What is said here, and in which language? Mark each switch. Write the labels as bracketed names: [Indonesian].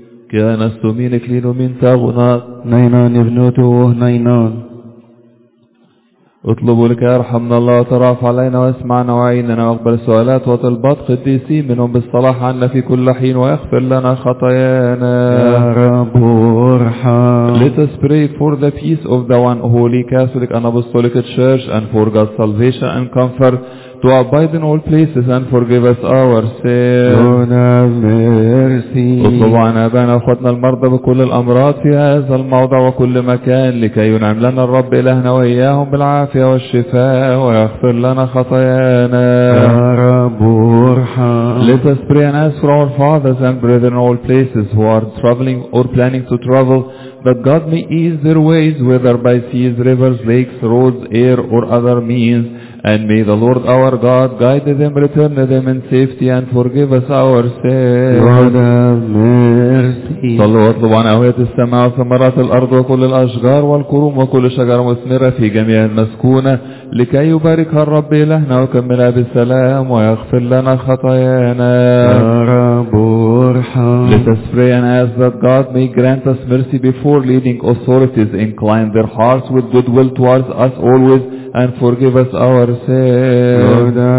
[Arabic] كي انا سوين اكلينو مين تاغوناتا نيناني بنوتي ووه نينان اطلبوا لك يا رحمنا الله ترافع علينا واسمعنا وعيننا واقبل سؤالات وطلبات قديسين منهم بالصلاح عنا في كل حين ويغفر لنا خطايانا يا رب ارحم. [English] Let us pray for the peace of the one holy Catholic and Apostolic Church and for God's salvation and comfort to abide in all places and forgive us our sins. [Arabic] اطلب عن أبانا أخوتنا المرضى بكل الأمراض في هذا الموضع وكل مكان لكي ينعم لنا الرب إلهنا وإياهم بالعافية والشفاء ويغفر لنا خطايانا يا رب ارحم. [English] Let us pray and ask for our fathers and brethren in all places who are traveling or planning to travel, that God may ease their ways, whether by seas, rivers, lakes, roads, air or other means. And may the Lord our God guide them, return them in safety, and forgive us our sins. Lord have mercy. [Arabic] صلوا واطلبوا عن أهوية السماء وثمرات الأرض وكل الأشجار والكروم وكل شجر مثمرة في جميع المسكونة لكي يبارك الرب إلهنا وكملها بالسلام ويغفر لنا خطايانا يا رب ارحم. [English] Let us pray and ask that God may grant us mercy before leading authorities incline their hearts with goodwill towards us always and forgive us our sins.